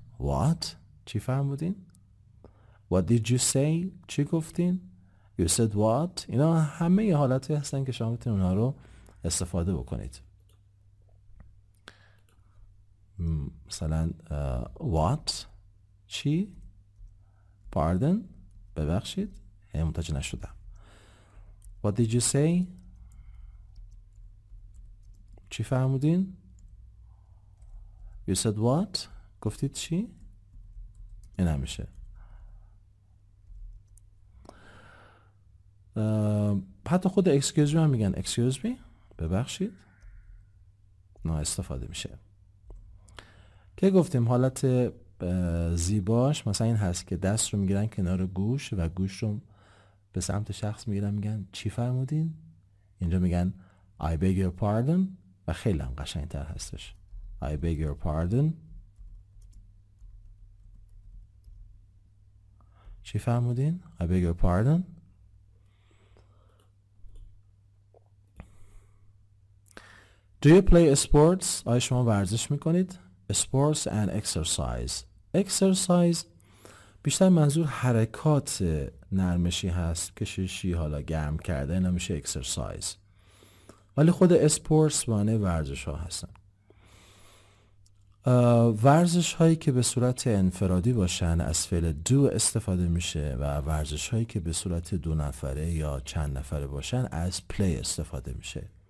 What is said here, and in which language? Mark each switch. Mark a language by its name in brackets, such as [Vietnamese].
[Persian] What؟ چی فرمودین؟ [English] What did you say؟ [Persian] چی گفتین؟ [English] You said what؟ [Persian] اینا همه یه حالت هستن که شما میتونید اونا رو استفاده بکنید. مثلا what؟ چی؟ Pardon؟ ببخشید؟ هم متوجه نشدم. [English] What did you say؟ [Persian] چی فرمودین؟ [English] You said what؟ [Persian] گفتید چی؟ این همیشه. حتی خود excuse me هم میگن excuse me؟ ببخشید؟ نه استفاده میشه. که گفتیم حالت زیباش مثلا این هست که دست رو میگیرن کنار گوش و گوش رو به سمت شخص میگیرن، میگن چی فرمودین؟ اینجا میگن [English] I beg your pardon، [Persian] و خیلی هم قشنگ تر هستش. [English] I beg your pardon. [Persian] چی فرمودین؟ [English] I beg your pardon. Do you play sports؟ [Persian] آیا شما ورزش میکنید؟ [English] sports and exercise. [Persian] Exercise بیشتر منظور حرکات نرمشی هست، کششی، حالا گرم کرده، اینا میشه exercise. ولی خود sports معنی ورزش ها هستن. ورزش هایی که به صورت انفرادی باشن از فعل do استفاده میشه، و ورزش هایی که به صورت دو نفره یا چند نفره باشن از play استفاده میشه.